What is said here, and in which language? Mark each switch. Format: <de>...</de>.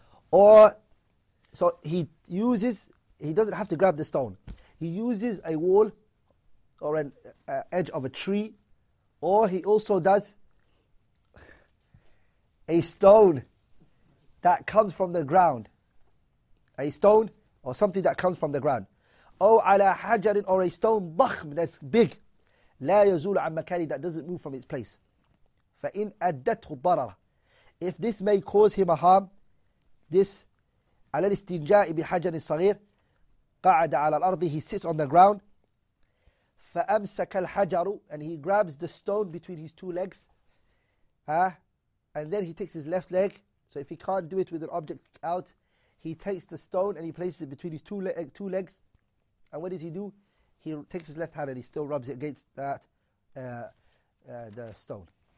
<en>Or, so he doesn't have to grab the stone. He uses a wall or an edge of a tree, or he also does a stone that comes from the ground. A stone or something that comes from the ground.</en> <ar>أو على حجر,</ar> <en>or a stone</en> <ar>ضخم,</ar> <en>that's big.</en> <ar>لا يزول عن مكانه,</ar> <en>that doesn't move from its place.</en> <ar>فإن أدته الضرر,</ar> <en>if this may cause him a harm, this,</en> <ar>على الاستنجاء بحجر صغير, قعد على الأرض,</ar> <en>he sits on the ground.</en> <ar>فأمسك الحجر,</ar> <en>and he grabs the stone between his two legs, and then he takes his left leg. So if he can't do it with an object out, he takes the stone and he places it between his two legs. And what does he do? He takes his left hand and he still rubs it against that the stone.</en>